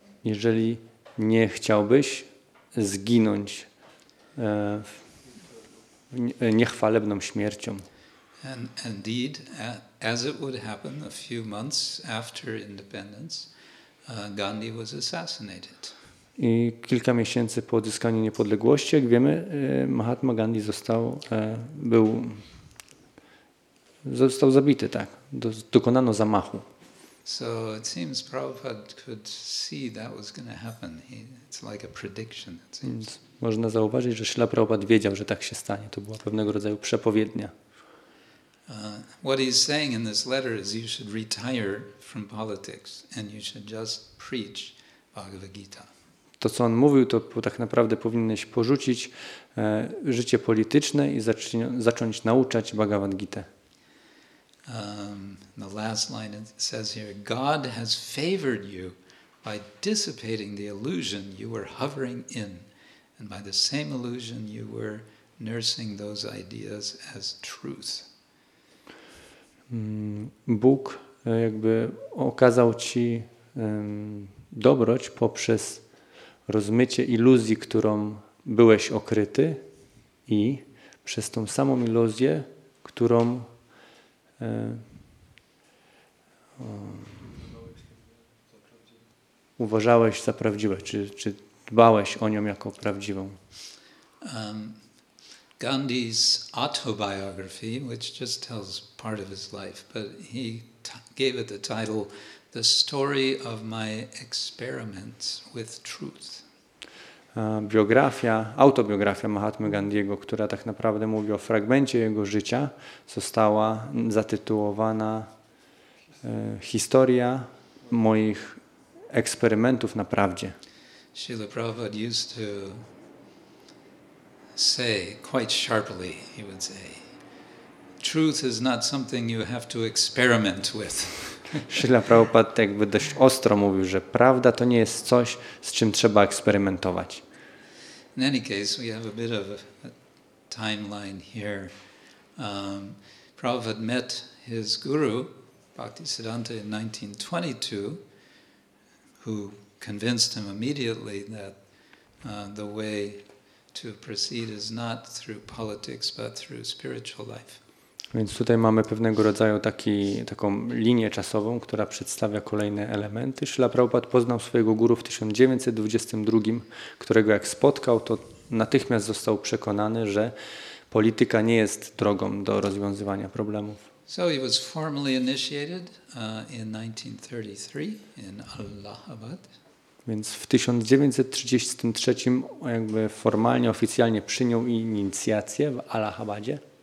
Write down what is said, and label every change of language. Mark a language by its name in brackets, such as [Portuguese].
[Polish] Jeżeli nie chciałbyś zginąć niechwalebną śmiercią. [English] And indeed, as it would happen a few months after independence, Gandhi was assassinated. [Polish] I kilka miesięcy po odzyskaniu niepodległości, jak wiemy, Mahatma Gandhi został zabity, tak. Dokonano zamachu. [English] So it seems Prabhupada could see that was going to happen. It's like a prediction, it seems. [Polish] Można zauważyć, że Śla Prabhupada wiedział, że tak się stanie. To była pewnego rodzaju przepowiednia. [English] What he's saying in this letter is you should retire from politics and you should just preach Bhagavad Gita. [Polish] To, co on mówił, to tak naprawdę powinieneś porzucić życie polityczne i zacząć nauczać Bhagavad Gita. [English] The last line it says here, God has favored you by dissipating the illusion you were hovering in, and by the same illusion you were nursing those ideas as truth. [Polish] Bóg jakby okazał ci dobroć poprzez rozmycie iluzji, którą byłeś okryty, i przez tą samą iluzję, którą uważałeś za prawdziwe, czy dbałeś o nią jako prawdziwą. [English] Gandhi's autobiography, which just tells part of his life, but he gave it the title The Story of My Experiments with Truth. [Polish] Biografia, autobiografia Mahatmy Gandhiego, która tak naprawdę mówi o fragmencie jego życia, została zatytułowana Historia moich eksperymentów na prawdzie. [English] Srila Prabhupada used to say quite sharply, he would say, truth is not something you have to experiment with. [Polish] Srila Prabhupada jakby dość ostro mówił, że prawda to nie jest coś, z czym trzeba eksperymentować. [English] In any case, we have a bit of a timeline here. Prabhupada met his guru, Bhaktisiddhanta, in 1922, who convinced him immediately that the way to proceed is not through politics, but through spiritual life. [Polish] Więc tutaj mamy pewnego rodzaju taką linię czasową, która przedstawia kolejne elementy. Śrila Prabhupada poznał swojego guru w 1922, którego jak spotkał, to natychmiast został przekonany, że polityka nie jest drogą do rozwiązywania problemów. [English] So he was formally initiated in 1933 in Allahabad. [Polish] Więc w 1933 jakby formalnie, oficjalnie przyjął inicjację w Allahabadzie.